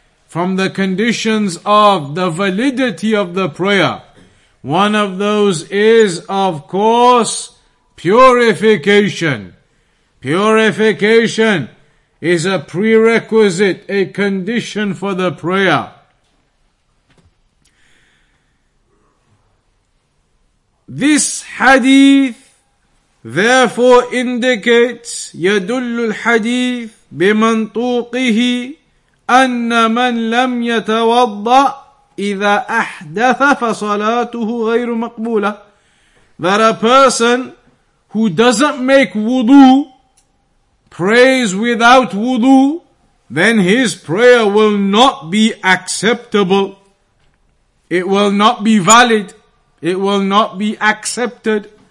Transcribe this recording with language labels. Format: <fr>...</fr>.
<en>From the conditions of the validity of the prayer. One of those is, of course, purification. Purification is a prerequisite, a condition for the prayer. This hadith, therefore, indicates,</en> <ar>يَدُلُّ الْحَدِيثِ بِمَنْطُوقِهِ أن من لم يتوضأ إذا أحدث فصلاته غير مقبولة.</ar> <en>That a person who doesn't make wudu prays without wudu, then his prayer will not be acceptable. It will not be valid. It will not be accepted.</en>